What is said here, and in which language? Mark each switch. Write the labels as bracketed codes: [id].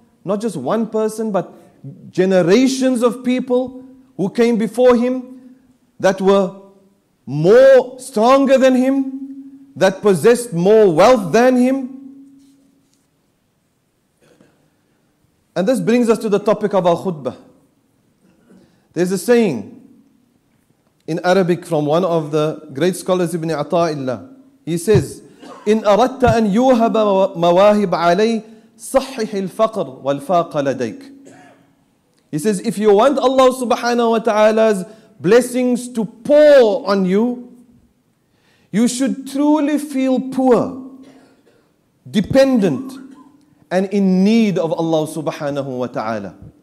[en] Not just one person, but generations of people who came before him that were more stronger than him, that possessed more wealth than him. And this brings us to the topic of our khutbah. There's a saying in Arabic from one of the great scholars, Ibn Ata'illah. He says, [ar] إِنْ أَرَدْتَ أَنْ يُوهَبَ مَوَاهِبَ عَلَيْهِ صَحِّحِ الْفَقْرِ وَالْفَاقَ لَدَيْكَ. [en] He says, if you want Allah subhanahu wa ta'ala's blessings to pour on you, you should truly feel poor, dependent, and in need of Allah subhanahu wa ta'ala.